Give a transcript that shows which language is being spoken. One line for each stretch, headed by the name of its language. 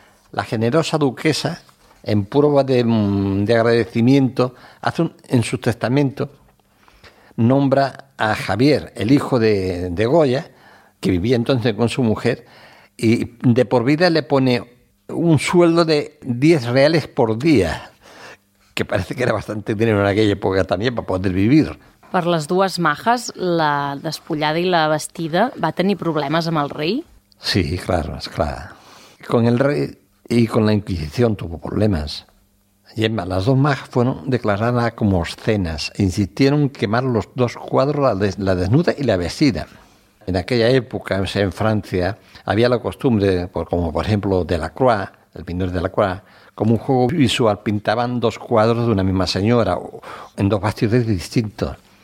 Spanish: La generosa duquesa, en prueba de agradecimiento, en su testamento nombra a Javier, el hijo de Goya, que vivía entonces con su mujer, y de por vida le pone un sueldo de 10 reales por día, que parece que era bastante dinero en aquella época también para poder vivir.
Catalan: Per les dues majas, la despullada i la vestida, va tenir problemes amb el rei?
Spanish: Sí, claro, es claro. Con el rei y con la Inquisición tuvo problemas. Gemma, las dos majas fueron declaradas como obscenas. Insistieron en quemar los dos cuadros, la desnuda y la vestida. En aquella época, en Francia, había la costumbre, como por ejemplo Delacroix, el pintor Delacroix, como un juego visual, pintaban dos cuadros de una misma señora en dos bastidores distintos.